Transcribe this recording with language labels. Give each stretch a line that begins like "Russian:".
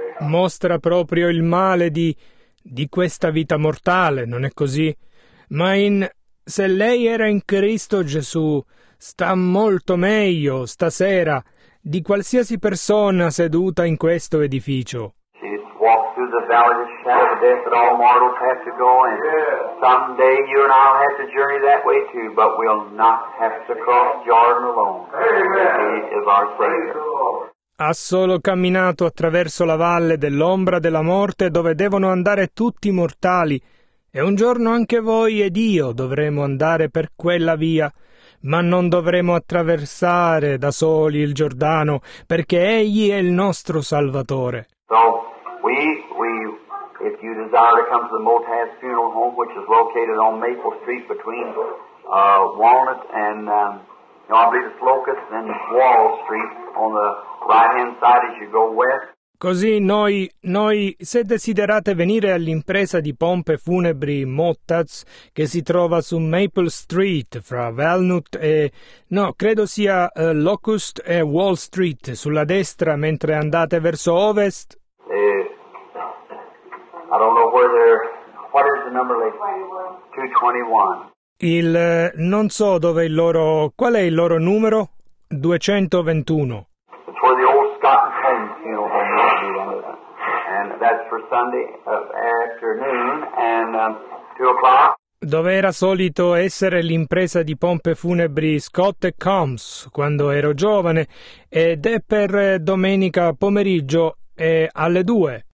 Italian: Mostra proprio il male di questa vita mortale, non è così? Ma se lei era in Cristo Gesù, sta molto meglio stasera di qualsiasi persona seduta in questo edificio.
English: The valley of the shadow of death that all mortals have to go in. Yeah. Someday you and I'll have to journey that way too, but we'll not have to cross Jordan alone. Amen. He is our Savior.
Italian: Ha solo camminato attraverso la valle dell'ombra della morte dove devono andare tutti i mortali. E un giorno anche voi ed io dovremo andare per quella via. Ma non dovremo attraversare da soli il Giordano, perché Egli è il nostro Salvatore.
English: So, We, if you desire to come to the Motash Funeral Home, which is located on Maple Street between Walnut and, I believe it's Locust and Wall Street on the right-hand side as you go west.
Italian: Così noi, se desiderate venire all'impresa di pompe funebri Motets, che si trova su Maple Street fra Walnut e, no, credo sia Locust e Wall Street sulla destra mentre andate verso ovest.
English: I don't know where they're. What is the number, lady? 221.
Italian: Il non so dove il loro. Qual è il loro numero? 221.
English: It's where the old Scott and Payne funeral home is. And that's for Sunday afternoon and 2 o'clock.
Italian: Dove era solito essere l'impresa di pompe funebri Scott e Combs quando ero giovane, ed è per domenica pomeriggio e alle 2.